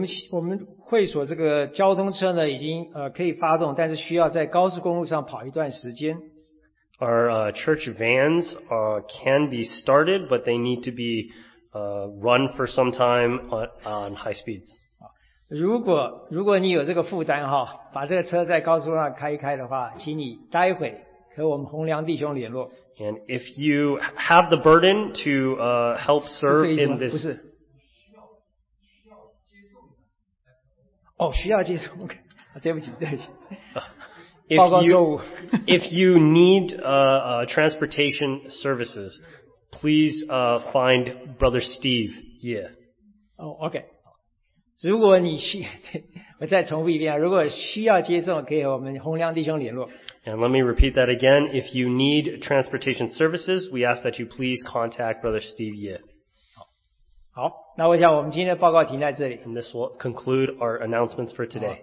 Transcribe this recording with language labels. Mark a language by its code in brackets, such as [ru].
[zh] 我们会所这个交通车呢已经可以发动，但是需要在高速公路上跑一段时间。 [en] Our church vans can be started, but they need to be run for some time on high speeds. [zh] 如果你有这个负担哈，把这个车在高速上开一开的话，请你待会和我们洪良弟兄联络。 [en] And if you have the burden to help serve in this, [zh] 不是，需要接送。对不起。 [en] If you need transportation services, please find Brother Steve. Yeah. Okay. [zh] 如果你需，我再重复一遍，如果需要接送，可以和我们洪良弟兄联络。 [en] And let me repeat that again. If you need transportation services, we ask that you please contact Brother Steve. Yeah. [zh] 好，那我想我们今天的报告停在这里。 [en] And this will conclude our announcements for today.